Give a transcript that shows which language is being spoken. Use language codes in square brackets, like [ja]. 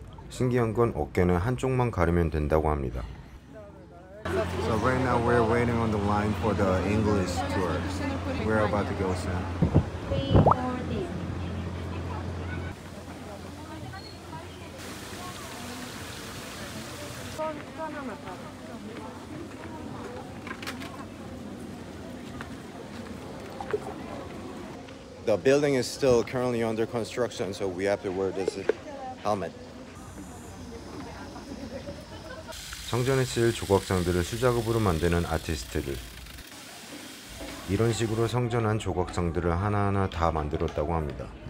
[ko] 신기한 건 어깨는 한쪽만 가리면 된다고 합니다. [en] So right now we're waiting on the line for the English tour. We're about to go soon. The building is still currently under construction, so we have to wear this helmet. [ko] 성전에 쓸 조각상들을 수작업으로 만드는 아티스트들. 이런 식으로 성전 안 조각상들을 하나하나 다 만들었다고 합니다.